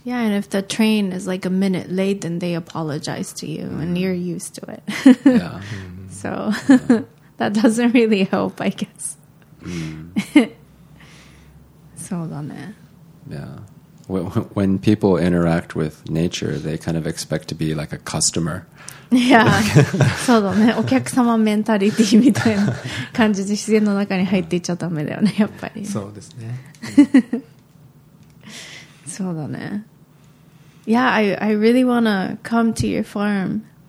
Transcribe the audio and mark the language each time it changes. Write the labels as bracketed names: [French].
[English] Yeah, and if the train is like a minute late, then they apologize to you, and you're used to it. Yeah. Mm-hmm. So that doesn't really help, I guess. [Japanese] そうだね。 [English] Yeah. When people interact with nature, they kind of expect to be like a customer. [Japanese] Yeah, そうだね。お客様メンタリティみたいな感じで自然の中に入っていっちゃダメだよね、やっぱり。そうですね。そうだね。 [English] Yeah, I really want to come to your farm.